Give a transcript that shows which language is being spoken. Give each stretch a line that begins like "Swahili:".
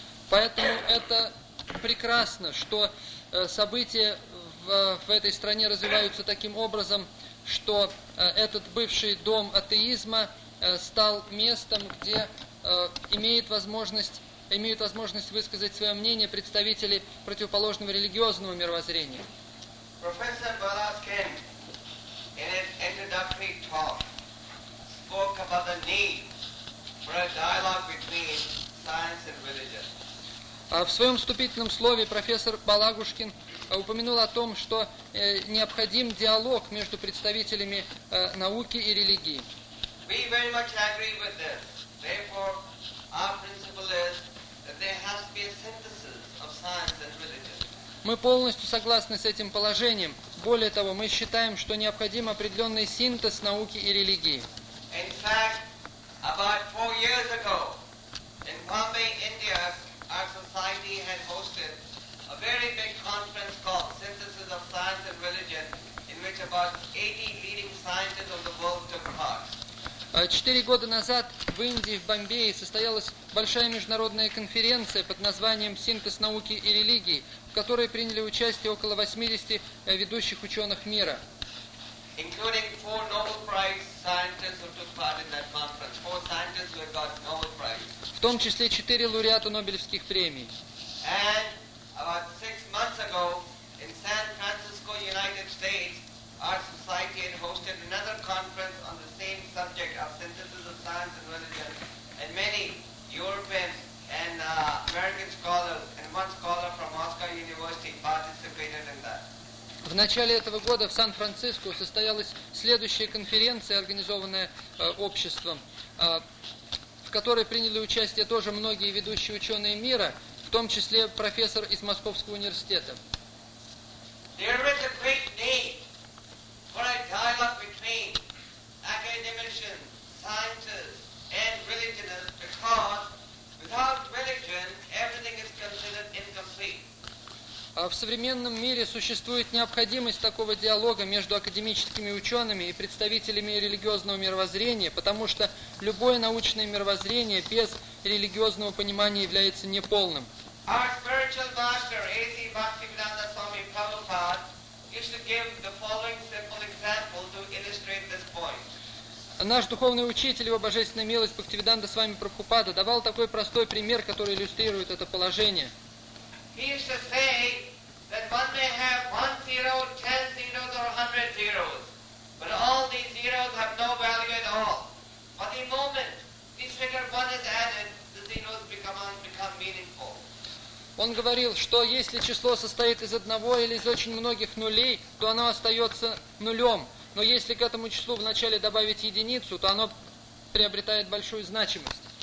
Russian: Поэтому это прекрасно, что события в этой стране развиваются таким образом, что этот бывший дом атеизма стал местом, где имеют возможность высказать свое мнение представители противоположного религиозного мировоззрения.
English: Professor Balaskin, in his introductory talk, spoke about the need for a dialogue between science and religion.
Russian: В своем вступительном слове профессор Балагушкин упомянул о том, что необходим диалог между представителями науки и религии.
English: We very much agree with this. Therefore, our principle is that there has to be a synthesis of science and religion.
Russian: Мы полностью согласны с этим положением. Более того, мы считаем, что необходим определенный синтез науки и религии.
English: In fact, about 4 years ago, in Bombay, India, our society had hosted a very big conference called Synthesis of Science and Religion, in which about 80 leading scientists of the world took part.
Russian: 4 года назад в Индии, в Бомбее, состоялась большая международная конференция под названием «Синтез науки и религии», в которой приняли участие около 80 ведущих ученых мира.
English: Including 4 Nobel Prize scientists who took part in that conference. 4 scientists who got Nobel Prize.
Russian: В том числе 4 лауреата Нобелевских премий.
English: And about 6 months ago, in San Francisco, United States, our society had hosted another conference on the same subject of synthesis of science and religion, and many European and American scholars and one scholar from Moscow University participated in that.
Russian: В начале этого года в Сан-Франциско состоялась следующая конференция, организованная обществом, в которой приняли участие тоже многие ведущие ученые мира, в том числе профессор из Московского университета.
English: There is a great need for a dialogue between academicians, scientists, and religionists because without religion everything is considered incomplete.
Russian: В современном мире существует необходимость такого диалога между академическими учеными и представителями религиозного мировоззрения, потому что любое научное мировоззрение без религиозного понимания является неполным.
English: Our spiritual master, A.C. Bhaktivedanta Swami Prabhupada, used to give the following simple example to illustrate this point.
Russian: Наш духовный учитель, его божественная милость, Бхактивиданта Свами Прабхупада, давал такой простой пример, который иллюстрирует это положение.
English: He used to say that one may have 1 zero, 10 zeros, or 100 zeros, but all these zeros have no value at all. But the moment each figure one is added, the zeros become meaningful.
Russian: Он говорил, что если число состоит из одного или из очень многих нулей, то оно остается нулем. Но если к этому числу вначале добавить единицу, то оно приобретает большую значимость.